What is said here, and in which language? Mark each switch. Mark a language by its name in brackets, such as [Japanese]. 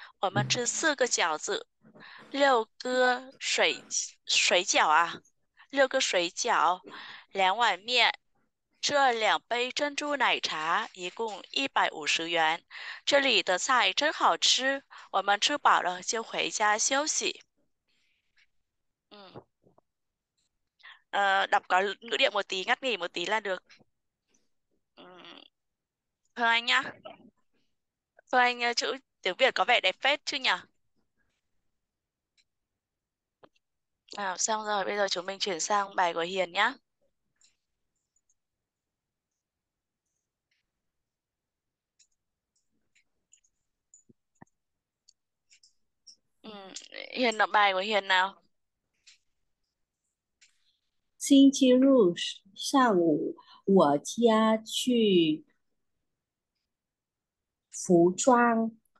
[Chinese] 我们吃4个饺子，6个水饺，2碗面。这2杯珍珠奶茶一共150元，这里的菜真好吃。我们吃饱了就回家休息。 [Vietnamese] đọc có ngữ điệu một tí, ngắt nghỉ một tí là được. Thôi anh nhá. Thôi anh nhá, chữ tiếng Việt có vẻ đẹp phết chứ nhỉ? Nào, xong rồi, bây giờ chúng mình chuyển sang bài của Hiền nhá. Hiền đọc bài của Hiền nào. [Chinese] 星期六上午，我家去服装